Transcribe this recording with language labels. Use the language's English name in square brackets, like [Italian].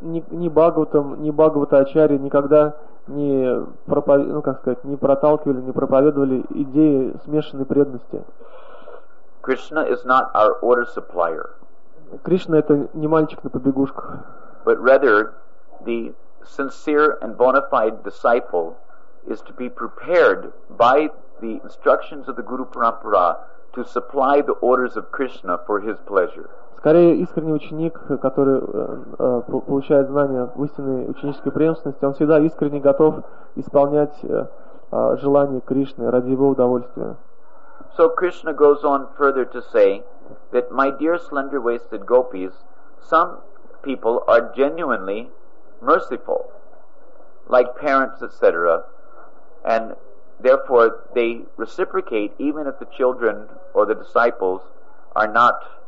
[Russian] Ни Бхагаватам, ни Бхагавата Ачарьи никогда не проповедовали, ну как сказать, не проталкивали, не проповедовали идеи смешанной преданности. [English] Krishna is not our order supplier. [Russian] Кришна это не мальчик на побегушках. [English] But rather, the sincere and bona fide disciple is to be prepared by the instructions of the Guru Parampara to supply the orders of Krishna for his pleasure. [Russian] Скорее, искренний ученик, который получает знания в истинной ученической преемственности, он всегда искренне готов исполнять желания Кришны ради его удовольствия. [English] So Krishna goes on further to say that, my dear slender-waisted gopis, some people are genuinely merciful, like parents, etc., and therefore they reciprocate even if the children or the disciples are not